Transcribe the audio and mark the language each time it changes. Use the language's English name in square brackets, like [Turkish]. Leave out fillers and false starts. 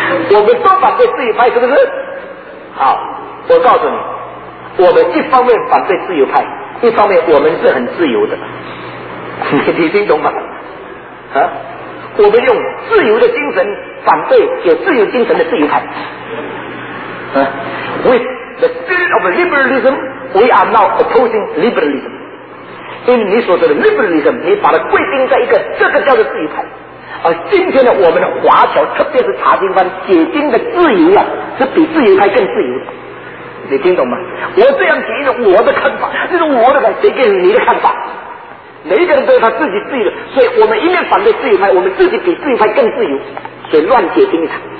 [Chinese] 我们都反对自由派，是不是？好，我告诉你，我们一方面反对自由派，一方面我们是很自由的。你听懂吗？啊，我们用自由的精神反对有自由精神的自由派。 [English] 啊 ，with the spirit of liberalism, we are now opposing liberalism. [Chinese] 因为你所说的 liberalism， 你把它规定在一个这个叫做自由派。而今天的我们的华侨，特别是查经班解经的自由啊，是比自由派更自由的。你听懂吗？我这样解是我的看法，这是我的看法，谁给你的看法？每一个人都有他自己自由，所以我们一面反对自由派，我们自己比自由派更自由，所以乱解经一场。